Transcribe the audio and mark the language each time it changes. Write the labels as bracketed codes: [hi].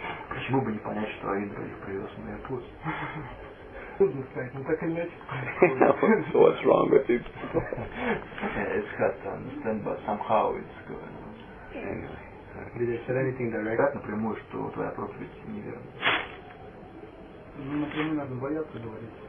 [ru] Почему бы не понять, что Индра их привез в Майяпур? [en] So what's wrong with it? Yeah, it's hard to understand, but somehow it's good. Anyway. Did they say anything direct? [ru] Напрямую, что твоя проповедь неверна. Ну, напрямую надо бояться говорить.